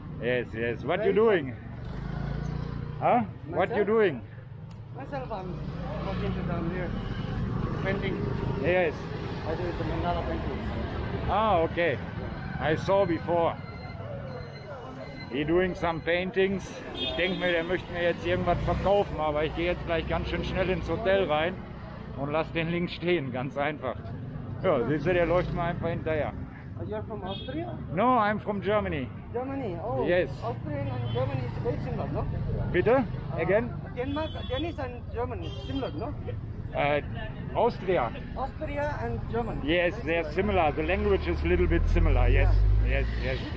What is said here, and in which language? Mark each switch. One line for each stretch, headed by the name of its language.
English: Yes, yes. What are you doing? Huh? Myself? What are you doing? Myself, I'm looking down here. Painting. Yes. I do the mandala paintings. Ah, okay. Yeah. I saw before. He's doing some paintings.
German: Ich denke mir, der möchte mir jetzt irgendwas verkaufen, aber ich gehe jetzt gleich ganz schön schnell ins Hotel rein und lass den links stehen, ganz einfach. Ja, siehst du, der läuft mir einfach hinterher.
English: Are you from Austria? No, I'm from Germany. Germany, oh. Yes. Austria and Germany is very similar, no?
German: Bitte?
English: Again? Denmark, Danish and Germany, similar, no? Austria. Austria and German. Yes, they are similar. The language is a little bit similar. Yes, yeah. Yes, yes. Which